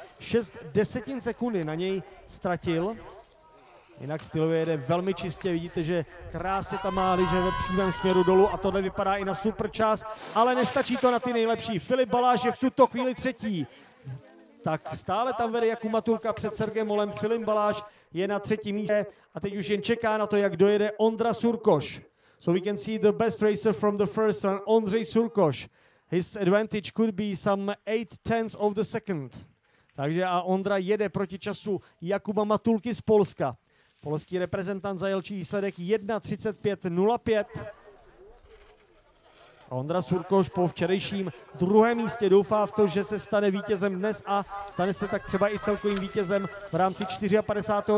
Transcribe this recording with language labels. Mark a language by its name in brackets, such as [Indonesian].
[Czech] 0,6 sekundy na něj ztratil. Jinak stylově jede velmi čistě, vidíte, že krásně tam má lyže ve přímém směru dolů a tohle vypadá i na super čas, ale nestačí to na ty nejlepší. Filip Baláš je v tuto chvíli třetí. Tak stále tam vede Jakub Matulka před Sergejem Mollem. Filip Baláš je na třetím místě a teď už jen čeká na to, jak dojede Ondra Surkoš. [English] So we can see the best racer from the first run, Ondřej Surkoš. His advantage could be some 0,8 of the second. [Czech] Takže a Ondra jede proti času Jakuba Matulky z Polska. Polský reprezentant zajel výsledek 1:35.05. Ondra Surkoš po včerejším druhém místě doufá v to, že se stane vítězem dnes a stane se tak třeba i celkovým vítězem v rámci 54.